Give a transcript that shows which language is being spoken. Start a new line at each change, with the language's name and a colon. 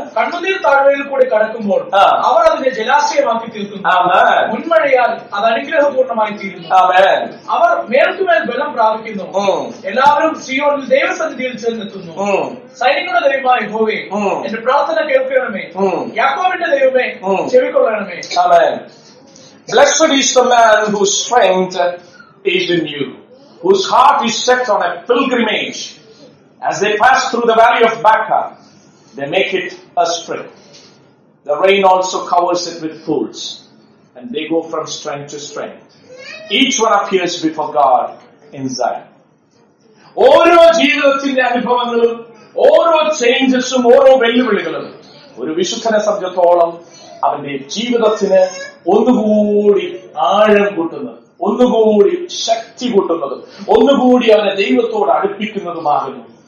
Malayalam: കണ്ണുനീർ താഴ്വരയിൽ കൂടി കടക്കുമ്പോൾ അവർ അതിന്റെ ജലാശയമാക്കി തീർക്കുന്നു. മുൻമഴയാൽ അത് അനുഗ്രഹപൂർണമായി തീരുന്നു. അവർ മേൽക്കുമേൽ ബലം പ്രാപിക്കുന്നു. എല്ലാവരും സിയോനിൽ ദൈവസന്നിധിയിൽ ചെന്നെത്തുന്നു. സൈനികരുടെ ദൈവമായി ഹോവേ എന്റെ പ്രാർത്ഥന കേൾക്കണമേ. യാക്കോബിന്റെ ദൈവമേ ചെവിക്കൊള്ളണമേ.
English: Blessed is the man whose strength is in you, whose heart is set on a pilgrimage. As they pass through the valley of Baca, they make it a spring. The rain also covers it with pools, and they go from strength to strength. Each one appears before God in Zion.
Malayalam: ഓരോ ജീവിതത്തിന്റെ അനുഭവങ്ങളും ഓരോ ചേഞ്ചസും ഓരോ വെല്ലുവിളികളും ഒരു വിശുദ്ധനെ സംബന്ധിച്ചോളം അവന്റെ ജീവിതത്തിന് ഒന്നുകൂടി ആഴം കൂട്ടുന്നത്, ഒന്നുകൂടി ശക്തി കൂട്ടുന്നത്, ഒന്നുകൂടി അവനെ ദൈവത്തോട് അടുപ്പിക്കുന്നതുമാകുന്നു.